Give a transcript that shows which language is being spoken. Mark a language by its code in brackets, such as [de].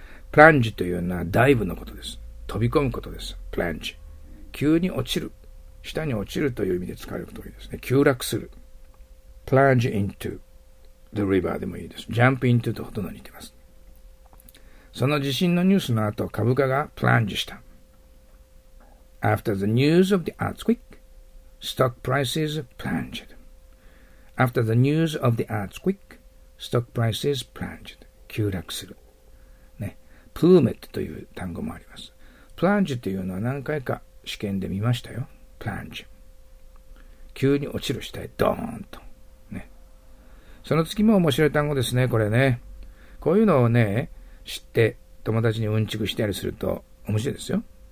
[ja] プランジというのはダイブのことです。飛び込むことです。プランジ。急に落ちる。下に落ちるという意味で使われることがいいですね。急落する。プランジ [en] into the river [ja] でもいいです。ジャンプ into とほとんど似てます。その地震のニュースの後、株価がプランジした。 [en] After the news of the earthquake, stock prices plunged. After the news of the earthquake, stock prices plunged. [ja] 急落する。ね。プーメットという単語もあります。プランジというのは何回か試験で見ましたよ。プランジ。急に落ちる下へドーンと。ね。その月も面白い単語ですね、これね。こういうのをね、知って友達にうんちくしてやりすると面白いですよ。